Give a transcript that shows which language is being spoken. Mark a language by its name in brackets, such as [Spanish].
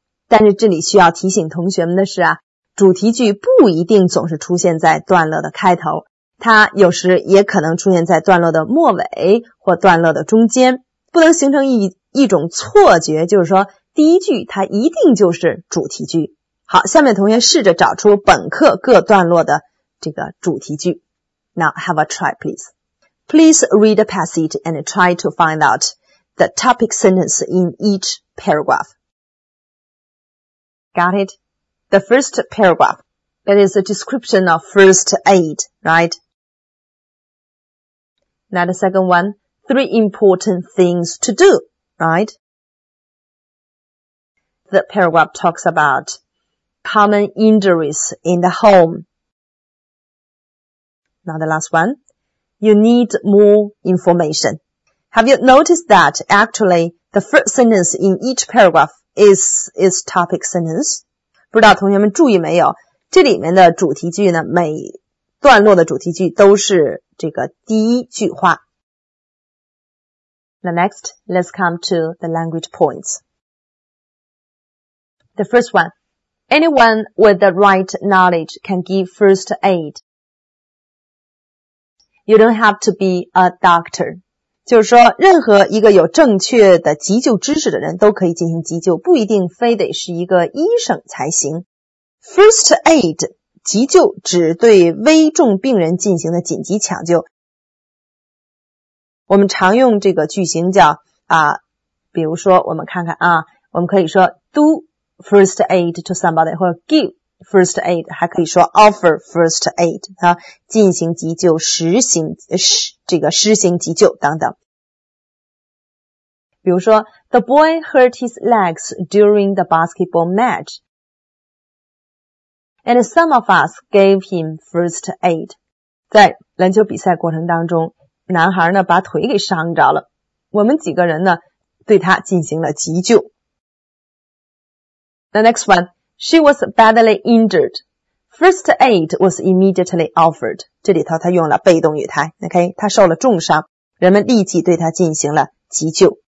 [Chinese] 但是这里需要提醒同学们的是啊，主题句不一定总是出现在段落的开头，它有时也可能出现在段落的末尾或段落的中间，不能形成一种错觉，就是说第一句它一定就是主题句。好，下面同学试着找出本课各段落的这个主题句。 [English] Now have a try please. Please read the passage and try to find out the topic sentence in each paragraph. Got it? The first paragraph, that is a description of first aid, right? Now the second one, three important things to do, right? The paragraph talks aboutcommon injuries in the home. Now the last one. You need more information. Have you noticed that actually the first sentence in each paragraph is topic sentence? [Chinese] 不知道同学们注意没有，这里面的主题句呢，每段落的主题句都是这个第一句话。 [English] Now next, let's come to the language points. The first one. Anyone with the right knowledge can give first aid. You don't have to be a doctor. [Chinese] 就是说任何一个有正确的急救知识的人都可以进行急救，不一定非得是一个医生才行。 First aid, 急救指对危重病人进行的紧急抢救。我们常用这个句型叫比如说我们看看啊，我们可以说 [English] do,first aid to somebody, [Chinese] 或者 [English] give first aid, [Chinese] 还可以说 [English] offer first aid, [Chinese] 进行急救、施行急救等等。比如说 [English] the boy hurt his legs during the basketball match, and some of us gave him first aid. [Chinese] 在篮球比赛过程当中，男孩呢把腿给伤着了，我们几个人呢对他进行了急救。 [English] The next one, she was badly injured. First aid was immediately offered. [Chinese] 这里头他用了被动语态， OK? 他受了重伤，人们立即对他进行了急救。